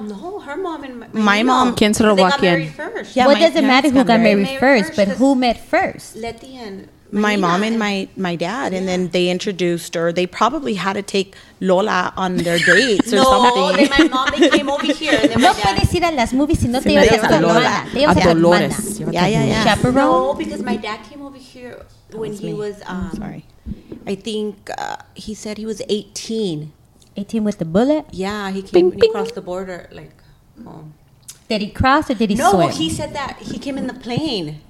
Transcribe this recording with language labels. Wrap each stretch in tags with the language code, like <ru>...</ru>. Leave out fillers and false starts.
<en>No, her mom and my mom. Can sort of walk in. What does it matter who got married first, but who met first? Let the end. My mom and my dad, yeah. And then they introduced her. They probably had to take Lola on their dates or something. No, then my mom, they came over here. And then</en> <es>no puede ir a las movies si no te ibas a Lola. A Dolores.</es> <en>Yeah. Chaperone? No, because my dad came over here when he was, I think he said he was 18. 18 with the bullet? Yeah, he came when he crossed the border. Like, Did he cross or did he swim? No, he said that he came in the plane.</en>